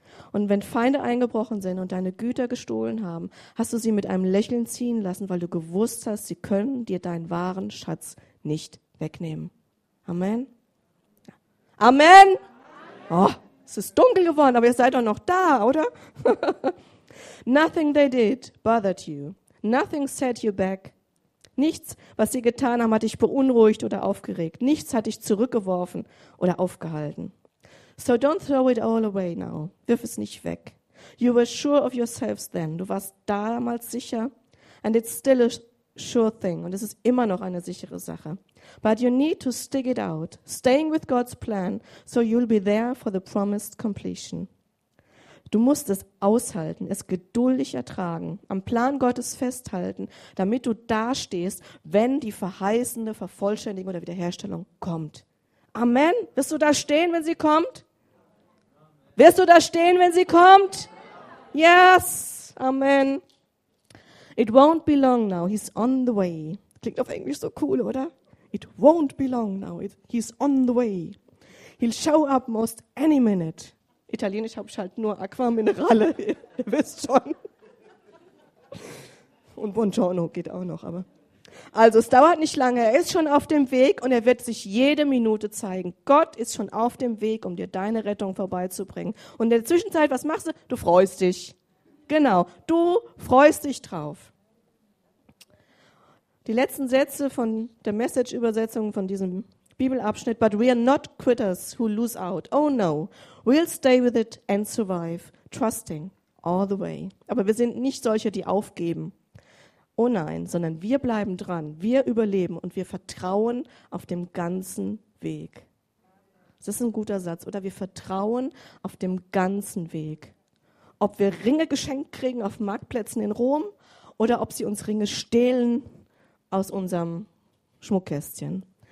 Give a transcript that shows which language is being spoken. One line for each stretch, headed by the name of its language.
German: Und wenn Feinde eingebrochen sind und deine Güter gestohlen haben, hast du sie mit einem Lächeln ziehen lassen, weil du gewusst hast, sie können dir deinen wahren Schatz nicht wegnehmen. Amen? Amen! Oh! Es ist dunkel geworden, aber ihr seid doch noch da, oder?
English: Nothing they did bothered you. Nothing set you back.
German: Nichts, was sie getan haben, hat dich beunruhigt oder aufgeregt. Nichts hat dich zurückgeworfen oder aufgehalten.
English: So don't throw it all away now.
German: Wirf es nicht weg.
English: You were sure of yourselves then.
German: Du warst damals sicher.
English: And it's still a sure thing.
German: Und es ist immer noch eine sichere Sache.
English: But you need to stick it out, staying with God's plan, so you'll be there for the promised completion.
German: Du musst es aushalten, es geduldig ertragen, am Plan Gottes festhalten, damit du dastehst, wenn die verheißende Vervollständigung oder Wiederherstellung kommt. Amen. Wirst du da stehen, wenn sie kommt? Wirst du da stehen, wenn sie kommt?
English: Yes. Amen. It won't be long now. He's on the way.
German: Klingt auf Englisch so cool, oder?
English: It won't be long now. He's on the way. He'll show up most any minute.
German: Italienisch habe ich halt nur Aquaminerale. Ihr wisst schon. Und Buongiorno geht auch noch, aber. Also es dauert nicht lange, er ist schon auf dem Weg und er wird sich jede Minute zeigen. Gott ist schon auf dem Weg, um dir deine Rettung vorbeizubringen. Und in der Zwischenzeit, was machst du? Du freust dich. Genau, du freust dich drauf. Die letzten Sätze von der Message-Übersetzung von diesem Bibelabschnitt:
English: But we are not quitters who lose out. Oh no, we'll stay with it and survive, trusting all the way.
German: Aber wir sind nicht solche, die aufgeben. Oh nein, sondern wir bleiben dran, wir überleben und wir vertrauen auf dem ganzen Weg. Das ist ein guter Satz, oder? Wir vertrauen auf dem ganzen Weg. Ob wir Ringe geschenkt kriegen auf Marktplätzen in Rom oder ob sie uns Ringe stehlen aus unserem Schmuckkästchen.